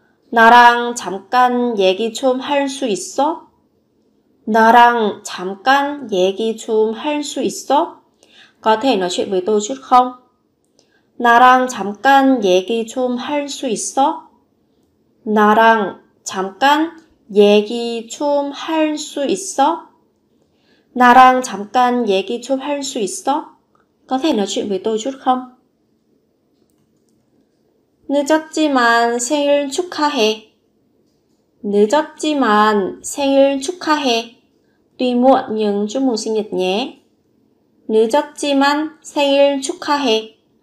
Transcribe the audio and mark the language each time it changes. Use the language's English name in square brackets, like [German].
[Korean] 나랑 잠깐 얘기 좀 할 수 있어? 나랑 잠깐 얘기 좀 할 수 있어? [Vietnamese] Có thể nói chuyện với tôi chút không? [Korean] 나랑 잠깐 얘기 좀 할 수 있어? 나랑 잠깐 얘기 좀 할 수 있어? 나랑 잠깐 얘기 좀 할 수 있어? [Vietnamese] Có thể nói chuyện với tôi chút không? [Korean] 늦었지만 생일 축하해. 늦었지만 생일 축하해. [Vietnamese] Tuy muộn nhưng chúc mừng sinh nhật nhé. [Korean] 늦었지만 생일 축하해.